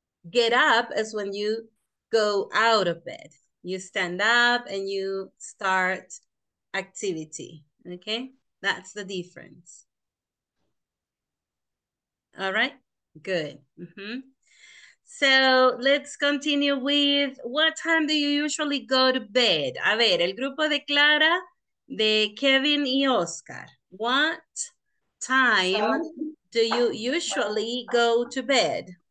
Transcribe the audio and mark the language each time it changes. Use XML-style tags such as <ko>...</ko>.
<en>Get up is when you go out of bed. You stand up and you start activity, okay? That's the difference. All right, good. Mm-hmm. So let's continue with what time do you usually go to bed?</en> <es>A ver, el grupo de Clara, de Kevin y Oscar.</es> <en>What time do you usually go to bed?</en>